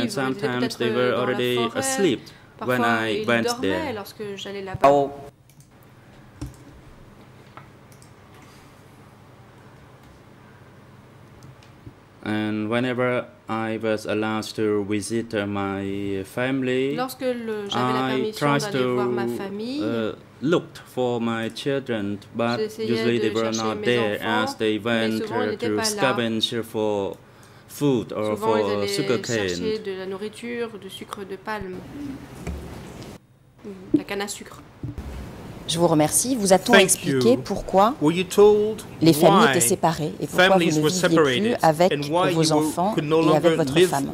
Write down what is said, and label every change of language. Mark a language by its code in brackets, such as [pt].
[en] and sometimes they were already asleep. When [fr] parfois, [en] I went there. [fr] Lorsque j'allais là-bas. [en] And whenever I was allowed to visit my family, [fr] lorsque j'avais la permission d'aller voir ma famille, [en] looked for my children, but usually they were not there as they went to scavenge for food or for sugar cane. [fr] De la nourriture, de sucre de palme, la canne à sucre. Je vous remercie. Vous a-t-on expliqué pourquoi les familles étaient séparées et pourquoi vous ne viviez plus avec vos enfants et avec votre femme?